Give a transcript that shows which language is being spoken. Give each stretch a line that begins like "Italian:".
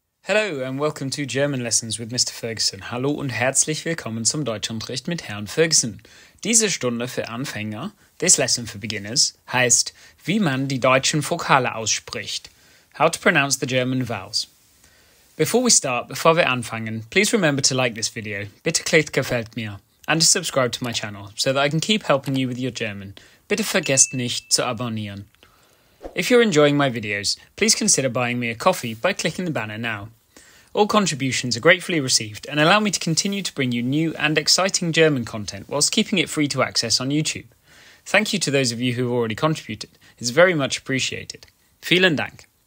English: Hello and welcome to German Lessons with Mr. Ferguson.
German: Hallo und herzlich willkommen zum Deutschunterricht mit Herrn Ferguson. Diese Stunde für Anfänger,
English: this lesson for beginners,
German: heißt, wie man die deutschen Vokale ausspricht.
English: How to pronounce the German vowels.
German: Bevor wir anfangen,
English: please remember to like this video,
German: bitte klick gefällt mir,
English: and to subscribe to my channel, so that I can keep helping you with your German.
German: Bitte vergesst nicht zu abonnieren.
English: If you're enjoying my videos, please consider buying me a coffee by clicking the banner now. All contributions are gratefully received and allow me to continue to bring you new and exciting German content whilst keeping it free to access on YouTube. Thank you to those of you who have already contributed. It's very much appreciated.
German: Vielen Dank.